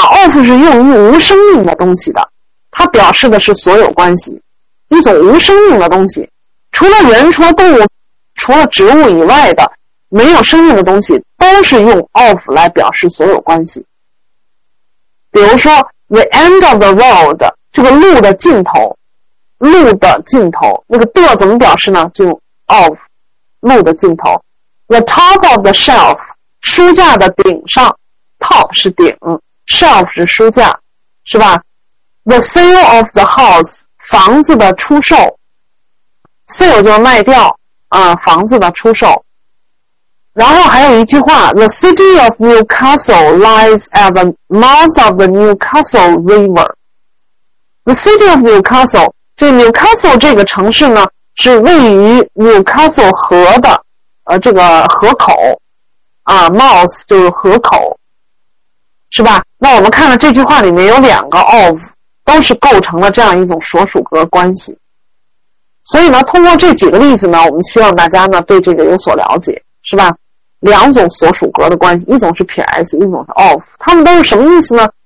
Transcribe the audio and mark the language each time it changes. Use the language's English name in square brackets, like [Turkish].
[Chinese] of 是用于无生命的东西的，它表示的是所有关系，一种无生命的东西，除了人，除了动物，除了植物以外的没有生命的东西都是用 of 来表示所有关系。比如说 [English] the end of the road， [Chinese] 这个路的尽头，路的尽头，那个 the 怎么表示呢？就 of， 路的尽头。 [English] the top of the shelf， [Chinese] 书架的顶上，top 是顶， shelf 是书架，是吧？ [English] the sale of the house， [Chinese] 房子的出售， sale 就是卖掉啊，房子的出售。然后还有一句话， [English] the city of Newcastle lies at the mouth of the Newcastle River， the city of Newcastle， [Chinese] 这 Newcastle 这个城市呢是位于 Newcastle 河的这个河口啊， mouth 就是河口，是吧？那我们看了这句话里面有两个 of， 都是构成了这样一种所属格关系。所以呢通过这几个例子呢，我们希望大家呢对这个有所了解，是吧？两种所属格的关系，一种是 PS， 一种是 of， 他们都是什么意思呢？